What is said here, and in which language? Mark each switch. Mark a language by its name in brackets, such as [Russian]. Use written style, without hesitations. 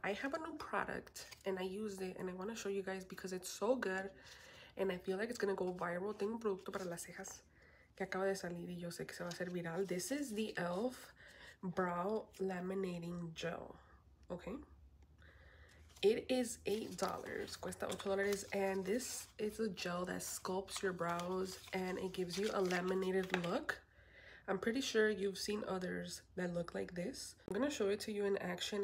[English] I have a new product and I used it and I want to show you guys because it's so good and I feel like it's gonna go viral. [Spanish] Tengo un producto para las cejas que acaba de salir y yo sé que se va a hacer viral. [English] This is the e.l.f. brow laminating gel. Okay, it is $8, [Spanish] cuesta $8, [English] and this is a gel that sculpts your brows and it gives you a laminated look. I'm pretty sure you've seen others that look like this. I'm gonna show it to you in action.